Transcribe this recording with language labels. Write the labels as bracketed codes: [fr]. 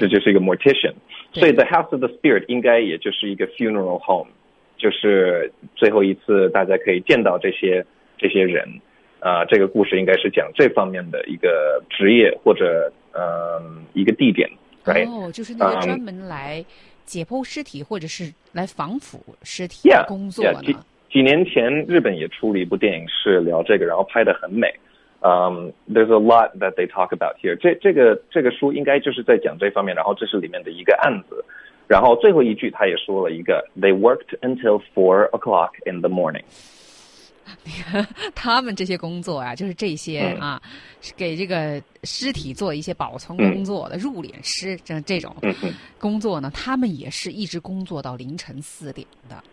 [zh] 这就是一个 mortician。所以 the house of the spirit 应该也就是一个 funeral home， 就是最后一次大家可以见到这些人。这个故事应该是讲这方面的一个职业或者一个地点。哦，就是那个专门来解剖尸体或者是来防腐尸体的工作的。 Yeah, yeah, 几年前日本也出了一部电影是聊这个，然后拍得很美。 [en] There's a lot that they talk about here. [zh] 这个书应该就是在讲这方面，然后这是里面的一个案子。然后最后一句他也说了一个 , [en] They worked until 4 o'clock in the morning. [zh] 他们这些工作啊，就是这些啊，是给这个尸体做一些保存工作的，入殓师这种工作呢，他们也是一直工作到凌晨四点的。